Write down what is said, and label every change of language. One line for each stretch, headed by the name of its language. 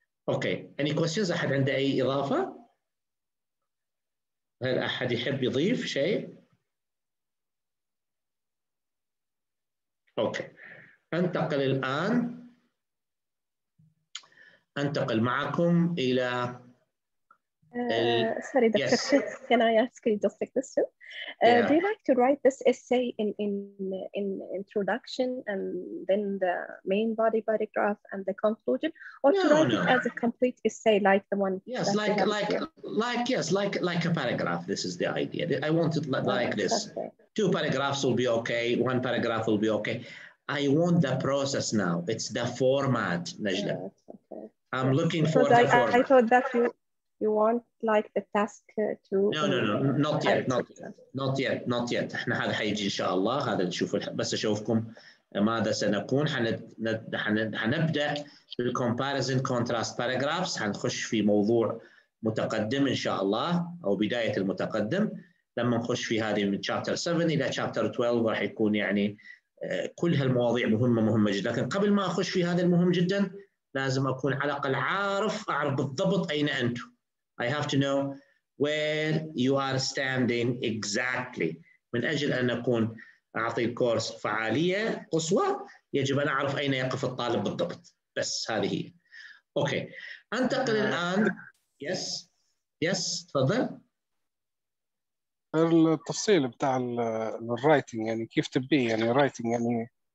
English: Okay, any questions؟
Arabic: أحد عنده أي إضافة؟ هل أحد يحب يضيف شيء؟ Okay, أنتقل الآن، أنتقل معكم إلى
English: Sorry, Doctor. Yes. Can I ask you just a question? Yeah. Do you like to write this essay in introduction and then the main body paragraph and the conclusion, or it as a complete essay like the one? Yes, like a paragraph. This is the idea. I want it like this. Okay. Two paragraphs will be okay. One paragraph will be okay. I want the process now. It's the format, Najla. Yeah, okay. I'm looking for the format. I thought that you. You want like the task to not yet.
Arabic: احنا هذا حيجي ان شاء الله، هذا نشوف بس اشوفكم ماذا سنكون. حنبدا بالكومباريزن كونتراست باراجرافز، حنخش في موضوع متقدم ان شاء الله او بدايه المتقدم. لما نخش في هذه من شابتر 7 الى شابتر 12 راح يكون يعني كل هالمواضيع مهمه جدا. لكن قبل ما اخش في هذا المهم جدا لازم اكون على الاقل عارف اعرف بالضبط اين انتم.
English: I have to know where you are standing exactly.
Arabic: من أجل أن أكون أعطي الكورس فعالية قصوى، يجب أن أعرف أين يقف الطالب بالضبط. بس هذه هي. Okay. أنتقل الآن.
English: Yes. Yes.
Arabic: تفضل. التفصيل بتاع الرايتنج، يعني كيف تبي يعني رايتنج، يعني